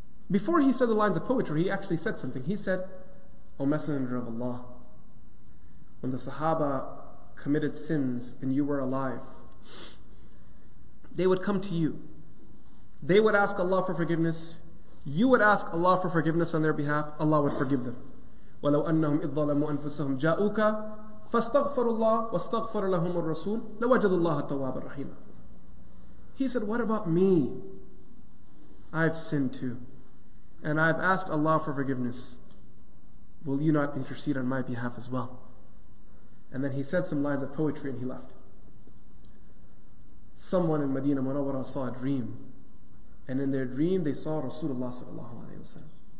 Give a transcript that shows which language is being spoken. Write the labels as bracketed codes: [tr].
[en] Before he said the lines of poetry, he actually said something. He said, O Messenger of Allah, when the Sahaba committed sins and you were alive, they would come to you. They would ask Allah for forgiveness. You would ask Allah for forgiveness on their behalf. Allah would forgive them. [ar] وَلَوْ أَنَّهُمْ إِذْ ظَلَمُوا أَنفُسَهُمْ جَاءُوكَ فَاسْتَغْفَرُوا اللَّهُ وَاسْتَغْفَرُ لَهُمُ الرَّسُولُ لَوَجَدُ اللَّهَ التَّوَّابَ الرَّحِيمَ [en] He said, what about me? I've sinned too. And I've asked Allah for forgiveness. Will you not intercede on my behalf as well? And then he said some lines of poetry and he left. Someone in Medina Munawwara saw a dream. And in their dream, they saw Rasulullah sallallahu alayhi wa sallam.